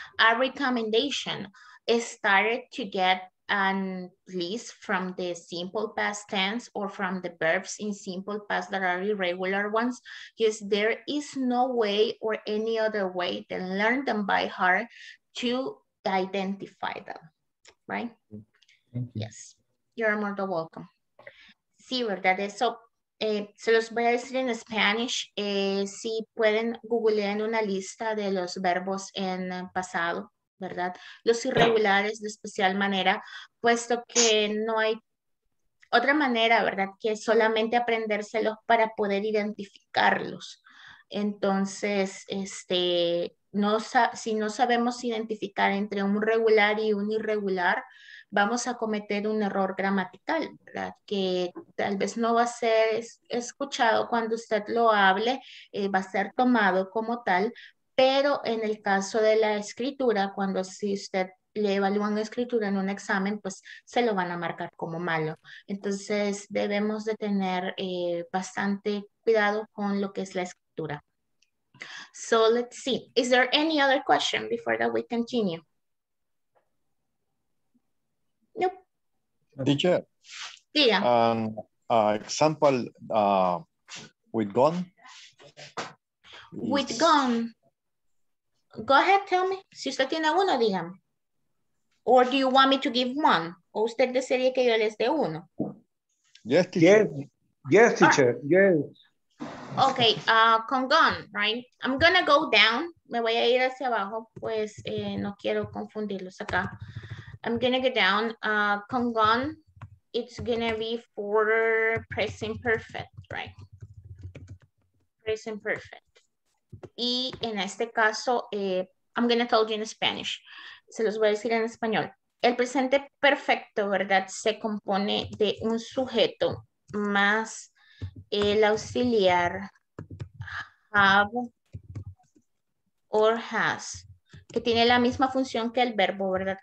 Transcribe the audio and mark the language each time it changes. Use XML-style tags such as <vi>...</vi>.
<en>A recommendation is started to get an list from the simple past tense or from the verbs in simple past that are irregular ones, because there is no way or any other way to learn them by heart to identify them, right? Thank you. Yes, you're more than welcome.</en> <es>Sí, verdad. So, se los voy a decir en Spanish. Si pueden googlear en una lista de los verbos en pasado, ¿verdad? Los irregulares de especial manera, puesto que no hay otra manera, ¿verdad? Que solamente aprendérselos para poder identificarlos. Entonces, si no sabemos identificar entre un regular y un irregular, vamos a cometer un error gramatical, ¿verdad? Que tal vez no va a ser escuchado cuando usted lo hable, va a ser tomado como tal. Pero en el caso de la escritura, cuando si usted le evalúa una escritura en un examen, pues se lo van a marcar como malo. Entonces debemos de tener bastante cuidado con lo que es la escritura.</es> <en>So let's see, is there any other question before that we continue? Nope. Teacher. Yeah. Example with gone. With gone. Go ahead, tell me.</en> <es>Si usted tiene uno, dígame.</es> <en>Or do you want me to give one?</en> <es>O usted desearía que yo les dé uno.</es> <en>Yes, teacher. Yes, teacher. Yes. Okay, con gone, right? I'm gonna go down.</en> <es>Me voy a ir hacia abajo, pues no quiero confundirlos acá.</es> <en>I'm gonna go down. Con gone, it's gonna be for present perfect, right? Present perfect.</en> <es>Y en este caso,</es> <en>I'm going to tell you in Spanish.</en> <es>Se los voy a decir en español. El presente perfecto, ¿verdad? Se compone de un sujeto más el auxiliar have or has, que tiene la misma función que el verbo, ¿verdad?</es>